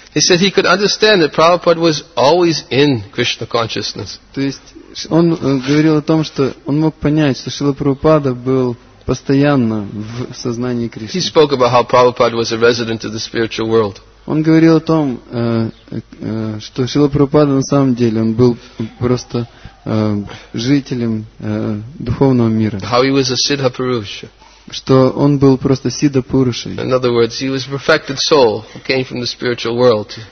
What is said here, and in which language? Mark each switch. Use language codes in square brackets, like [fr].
[en] He said he could understand that Prabhupada was always in Krishna consciousness. [ru] То есть он говорил о том, что он мог понять, что Шрила Прабхупада был постоянно в сознании Кришны. [en] He spoke about how Prabhupada was a resident of the spiritual world. [ru] Он говорил о том, что Шрила Прабхупада на самом деле он был просто жителем духовного мира. [en] How he was a Siddha Purusha. [ru] Что он был просто Сидха Пурушей. [en] In other words, he was a perfected soul who came from the spiritual world.